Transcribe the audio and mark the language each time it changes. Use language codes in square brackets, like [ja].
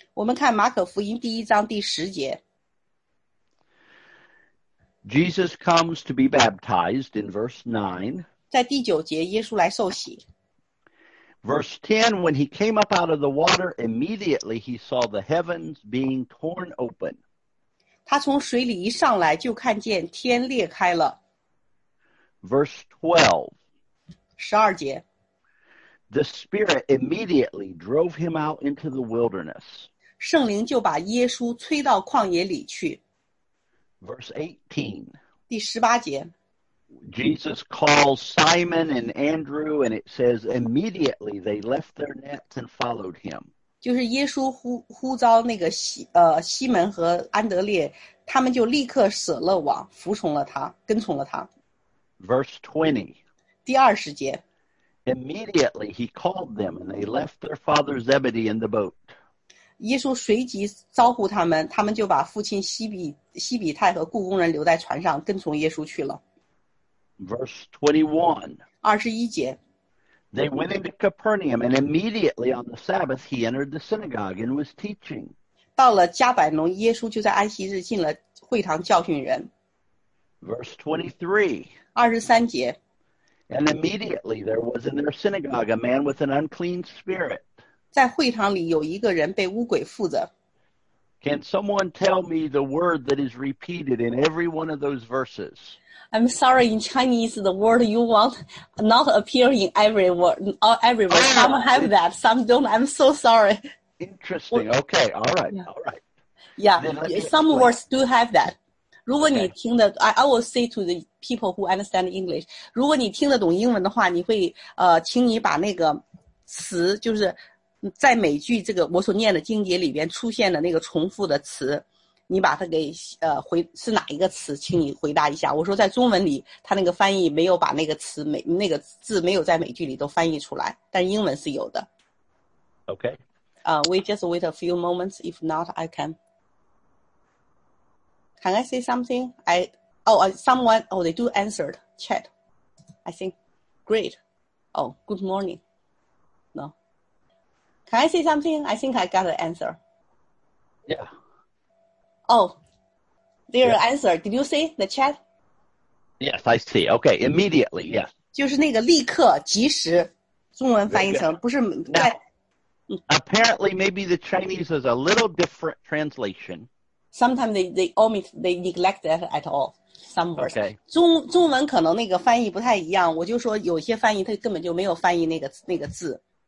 [zh] 我们看马可福音第一章第十节。 [en] Jesus comes to be baptized in verse 9. [zh] 在第九节，耶稣来受洗。 [en] Verse 10, when he came up out of the water, immediately he saw the heavens being torn open. [zh] 他从水里一上来就看见天裂开了。 [en] Verse 12. [zh] 12节。 [en] The Spirit immediately drove him out into the wilderness. [zh] 圣灵就把耶稣催到旷野里去。 [en] Verse 18. [zh] 第十八节。 [en] Jesus calls Simon and Andrew, and it says, immediately they left their nets and followed him. [zh] 就是耶稣 呼召那个 西门和安德烈，他们就立刻舍了网，服从了他，跟从了他。 [en] Verse 20. [zh] 第二十节。 [en] Immediately he called them, and they left their father Zebedee in the boat. [zh] 耶稣随即招呼他们，他们就把父亲西比泰和雇工人留在船上，跟从耶稣去了。 [en] Verse 21. [zh] 21节。 [en] They went into Capernaum, and immediately on the Sabbath he entered the synagogue and was teaching. [zh] 到了加百农，耶稣就在安息日进了会堂教训人。 [en] Verse 23. [zh] 23节。 [en] And immediately there was in their synagogue a man with an unclean spirit. [zh] 在会堂里有一个人被污鬼附着。 [en] Can someone tell me the word that is repeated in every one of those verses? I'm sorry, in Chinese, the word you want not appear in every word, every word. Some have that, some don't. I'm so sorry. Interesting. Okay. All right. Yeah. All right. Yeah. Some words do have that. [zh] 如果你听得、 [en] okay. I will say to the people who understand English, [zh] 如果你听得懂英文的话，你会请你把那个词就是在每句这个我所念的经节里边出现的那个重复的词，你把它给回是哪一个词，请你回答一下。我说在中文里他那个翻译没有把那个词每那个字没有在每句里都翻译出来，但英文是有的。 [en] OK We just wait a few moments. If not, I can I say something? Someone they do answered chat, I think. Great. Oh, good morningCan I say something? I think I got an answer. Yeah. Oh, there's an answer. Did you see the chat? Yes, I see. Okay, immediately, yes. [zh] 就是那个立刻即时中文翻译成不是 [en] Now, apparently, maybe the Chinese is a little different translation. Sometimes they omit, they neglect that at all. Some words. Okay. [zh] 中文可能那个翻译不太一样，我就说有些翻译它根本就没有翻译那个字。